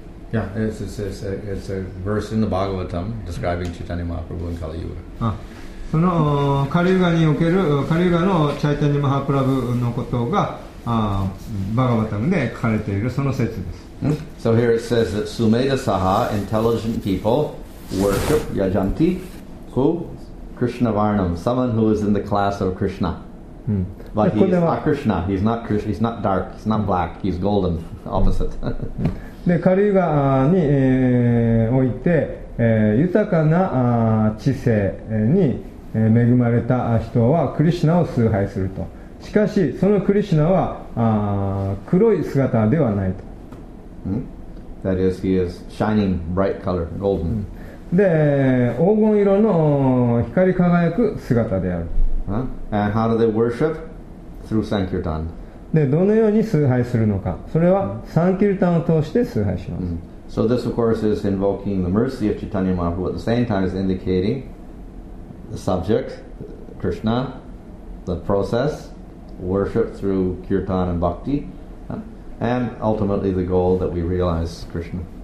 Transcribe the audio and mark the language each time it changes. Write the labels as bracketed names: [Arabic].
[English] Yeah, it's a verse in the Bhagavatam describing Chaitanya Mahaprabhu and Kali Yuga. [Japanese] そのカリユガにおけるカリユガのチャイタニアマハプラブのことがバガバタムで書かれているその説です。 [English] So here it says that Sumedha Saha, intelligent people,worship Yajanti, who? Krishna Varnam, someone who is in the class of Krishna. But he's not Krishna, he's not Krishna, he's not dark, he's not black, he's golden, opposite. [Japanese] で、カリユガに、において、豊かな知性に恵まれた人はクリシナを崇拝すると。しかし、そのクリシナは黒い姿ではないと。 [English] That is, he is shining bright color, golden. [Japanese] で、黄金色の光り輝く姿である。 [English] And how do they worship? Through Sankirtan. [Japanese] で、どのように崇拝するのか。それはサンキルタンを通して崇拝します。 [English] So this of course is invoking the mercy of Chaitanya Mahaprabhu at the same time as indicating the subject, Krishna, the process, worship through kirtan and bhakti, and ultimately the goal that we realize Krishna.